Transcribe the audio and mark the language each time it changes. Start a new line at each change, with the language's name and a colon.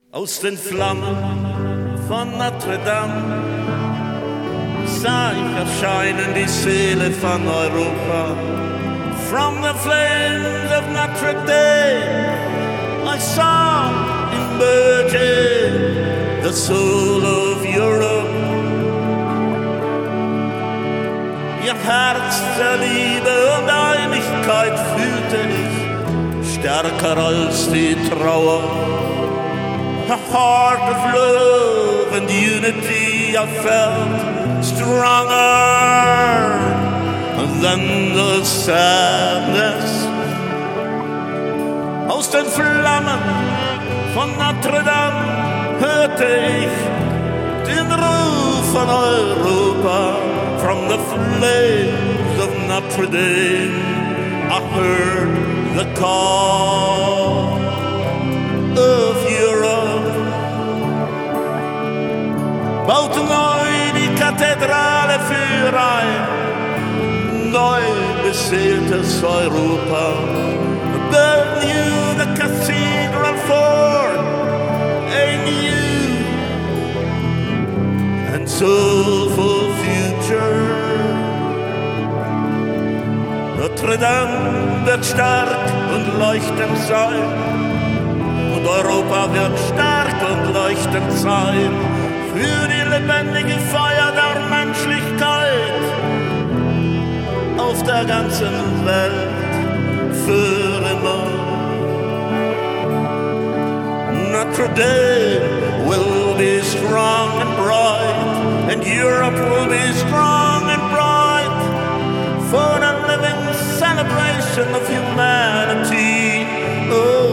German: aus den Flammen von Notre Dame sah ich erscheinen die Seele von Europa.
English: From the flames of Notre Dame I saw emerging the soul of Europe.
German: Ihr Herz der Liebe und Einigkeit fühlte ich stärker als die Trauer.
English: A heart of love and unity I felt stronger than the sadness.
German: Aus den Flammen von Notre Dame hörte ich den Ruf von Europa.
English: From the flames of Notre Dame I heard the call of Europe.
German: Baut neu die Kathedrale für ein neu beseeltes Europa.
English: Build new the cathedral for a new and soulful future.
German: Notre Dame wird stark und leuchtend sein, und Europa wird stark und leuchtend sein. Für die lebendige Feier der Menschlichkeit auf der ganzen Welt für immer.
English: Notre Dame will be strong and bright, and Europe will be strong and bright for the living celebration of humanity.